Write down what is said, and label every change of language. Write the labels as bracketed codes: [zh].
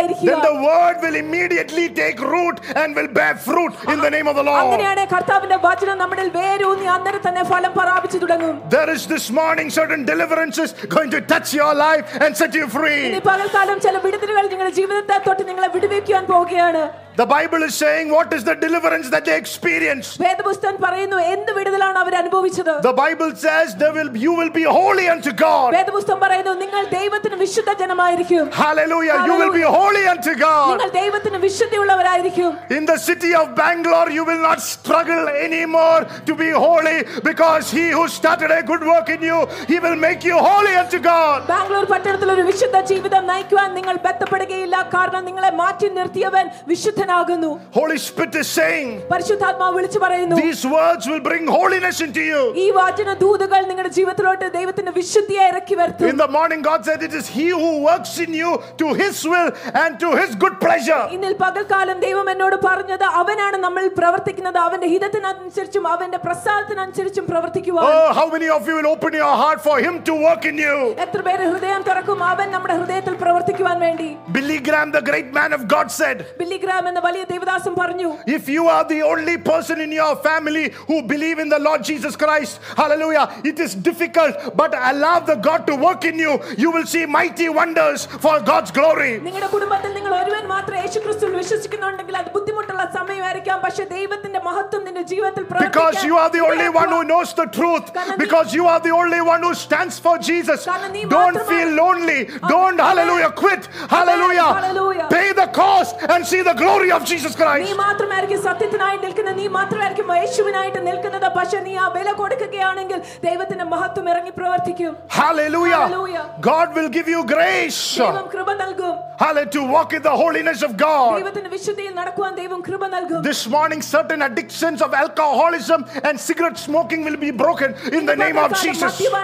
[en] Then the word will immediately take root and will bear fruit in the name of the Lord. [ml] അങ്ങനെയാണ് കർത്താവിന്റെ വചനം നമ്മളിൽ വേരൂന്നി അന്നേരം തന്നെ ഫലം പ്രാപിച്ചു തുടങ്ങും. [en] There is this morning certain deliverances going to touch your life and set you free. [ml] ഇനി പകൽക്കാലം ചില വിടുതലുകൾ നിങ്ങളുടെ ജീവിതത്തെ തൊട്ട് നിങ്ങളെ വിടുവിക്കാൻ പോവുകയാണ്. [en] The Bible is saying what is the deliverance that they experienced? [ml] വേദപുസ്തകം പറയുന്നു എന്ത് വിടുതലാണ് അവർ അനുഭവിച്ചത്? [en] The Bible says you will be holy unto God. [ml] വേദപുസ്തകം പറയുന്നു നിങ്ങൾ ദൈവത്തിന് വിശുദ്ധ ജനമായിരിക്കും. [en] Hallelujah. You will be holy unto God. [ml] നിങ്ങൾ ദൈവത്തിന് വിശുദ്ധിയുള്ളവരായിരിക്കും. [en] In the city of Bangalore you will not struggle anymore to be holy because he who started a good work in you he will make you holy unto God. [ml] Bangalore പട്ടണത്തിൽ ഒരു വിശുദ്ധ ജീവിതം നയിക്കാൻ നിങ്ങൾ ബദ്ധപ്പെടുകയില്ല കാരണം നിങ്ങളെ മാറ്റി നിർത്തിയവൻ വിശുദ്ധനാകുന്നു. [en] Holy Spirit is saying. [ml] പരിശുദ്ധാത്മാവ് വിളിച്ചു പറയുന്നു. [en] These words will bring holiness into you. [ml] ഈ വചന ദൂതകൾ നിങ്ങളുടെ ജീവിതത്തിലോട്ട് ദൈവത്തിന്റെ വിശുദ്ധിയെ ഇറക്കി വരുത്തും. [en] In the morning God said it is he who works in you to his will and to his good pleasure. [ml] ഇന്നിൽ പകൽക്കാലം ദൈവം എന്നോട് പറഞ്ഞു അവനാണ് നമ്മൾ പ്രവർത്തിക്കുന്നത് അവന്റെ ഹിതത്തിനനുസരിച്ചും അവന്റെ പ്രസാദത്തിനനുസരിച്ചും പ്രവർത്തിക്കുവാൻ. [en] Oh, how many of you will open your heart for him to work in you? [ml] എത്ര പേര് ഹൃദയം തുറക്കും അവൻ നമ്മുടെ ഹൃദയത്തിൽ പ്രവർത്തിക്കുവാൻ വേണ്ടി? [en] Billy Graham, the great man of God said. [ml] Billy gram എന്ന വലിയ ദൈവദാസൻ പറഞ്ഞു. [en] If you are the only person in your family who believe in the Lord Jesus Christ, hallelujah, it is difficult but allow the God to work in you. You will see mighty wonders for God's glory. [ml] നിങ്ങളുടെ കുടുംബത്തിൽ നിങ്ങൾ ഒരുവൻ മാത്രമേ യേശുക്രിസ്തുവിൽ വിശ്വസിക്കുന്നുണ്ടെങ്കിൽ അത് ബുദ്ധിമുട്ടുള്ള സമയമായിരിക്കാം പക്ഷേ ദൈവത്തിന്റെ മഹത്വം നിന്റെ ജീവിതത്തിൽ പ്രകടമാകും. [en] Because you are the only one who knows the truth. Because you are the only one who stands for Jesus. Don't feel lonely. Don't hallelujah quit. Hallelujah. Pay the cost and see the glory of Jesus Christ. [ml] നീ മാത്രമായിരിക്കും സത്യത്തിനായി നിൽക്കുന്നത് നീ മാത്രമായിരിക്കും യേശുവിനായിട്ട് നിൽക്കുന്നത് പക്ഷേ നീ ആ വില കൊടുക്കുകയാണെങ്കിൽ ദൈവത്തിന്റെ മഹത്വം ഇറങ്ങി പ്രവർത്തിക്കും. [en] Hallelujah. God will give you grace. [ml] ദൈവം കൃപ നൽകും. [en] Hallelujah, to walk in the holiness of God. [ml] ദൈവത്തിന്റെ വിശുദ്ധിയിൽ നടക്കുവാൻ ദൈവം കൃപ നൽകും. [en] This morning certain addictions of alcoholism and cigarette smoking will be broken in the name of Jesus.